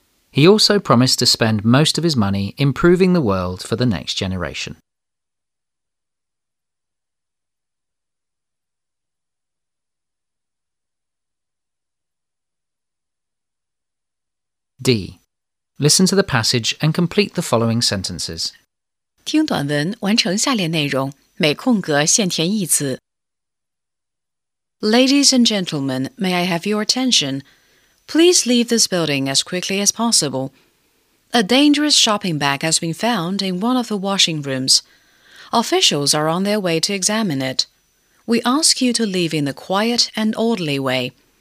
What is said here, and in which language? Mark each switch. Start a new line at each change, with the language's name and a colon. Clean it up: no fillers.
English: He also promised to spend most of his money improving the world for the next generation. D. Listen to the passage and complete the following sentences.
Chinese: 听短文，完成下列内容，每空格限填一词。
English: Ladies and gentlemen, may I have your attention? Please leave this building as quickly as possible. A dangerous shopping bag has been found in one of the washing rooms. Officials are on their way to examine it. We ask you to leave in a quiet and orderly way.